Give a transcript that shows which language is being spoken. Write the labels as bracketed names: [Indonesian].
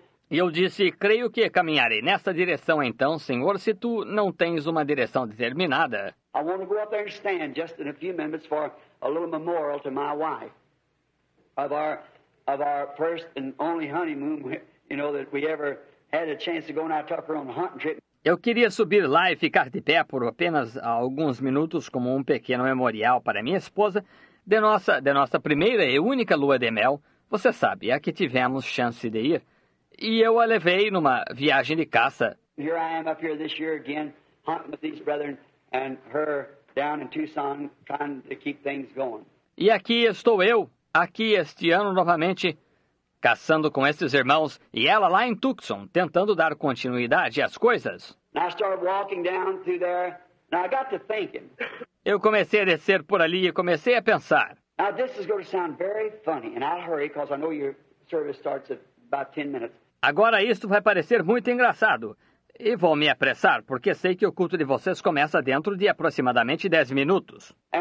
[Portuguese] Eu disse, creio que caminharei nessa direção então, Senhor, se Tu não tens uma direção determinada. [English] I want to go up there and stand just in a few minutes for a little memorial to my wife of our first and only honeymoon, you know, that we ever had a chance to go and I took her on a hunting trip. [Portuguese] Eu queria subir lá e ficar de pé por apenas alguns minutos como um pequeno memorial para minha esposa de nossa primeira e única lua de mel, você sabe, a que tivemos chance de ir. E eu a levei numa viagem de caça. [English] Here I am up here this year again, hunting with these brethren and her down in Tucson, trying to keep things going. [Portuguese] E aqui estou eu, aqui este ano novamente, caçando com esses irmãos e ela lá em Tucson, tentando dar continuidade às coisas. [English] I started walking down through there, and I got to thinking. [Portuguese] Eu comecei a descer por ali e comecei a pensar. [English] Now this is going to sound very funny, and I'll hurry because I know your service starts at about 10 minutes. [Portuguese] Agora isto vai parecer muito engraçado. E vou me apressar, porque sei que o culto de vocês começa dentro de aproximadamente 10 minutos.